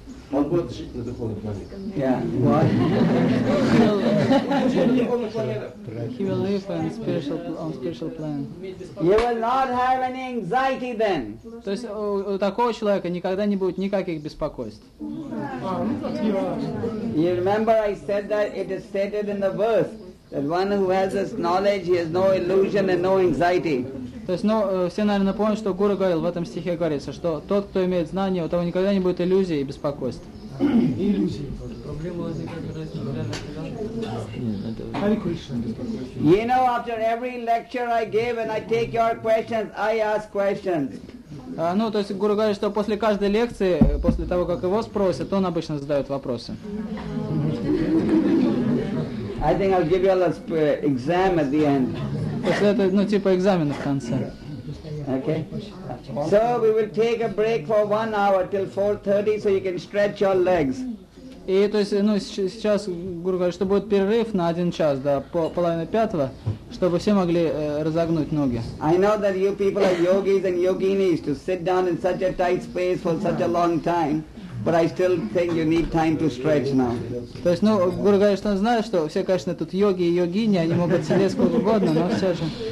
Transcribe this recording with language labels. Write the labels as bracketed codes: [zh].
[ru] Он будет жить на духовных планетах. [en] He will live on spiritual plan. You will not have any anxiety then. [ru] То есть у такого человека никогда не будет никаких беспокойств. [en] You remember I said that it is stated in the verse that one who has this knowledge, he has no illusion and no anxiety. [ru] То есть, ну, все, наверное, помнят, что Гуру говорил, в этом стихе говорится, что тот, кто имеет знания, у того никогда не будет иллюзии и беспокойств. [en] You know, after every lecture I give and I take your questions, I ask questions. [ru] Ну, то есть Гуру говорит, что после каждой лекции, после того, как его спросят, он обычно задает вопросы. [en] I think I'll give you all a exam at the end. [ru] После этого, ну, типа экзамена в конце. [en] Okay. So we will take a break for 1 hour till 4:30, so you can stretch your legs. [ru] И то есть, ну, сейчас Гуру говорит, что будет перерыв на 1 час, да, по 4:30, чтобы все могли разогнуть ноги. [en] I know that you people are yogis and yoginis to sit down in such a tight space for such a long time, but I still think you need time to stretch now. [ru] То есть, ну, Гуру говорит, что он знает, что все, конечно, тут йоги и йогини, они могут сидеть сколько угодно, но все же.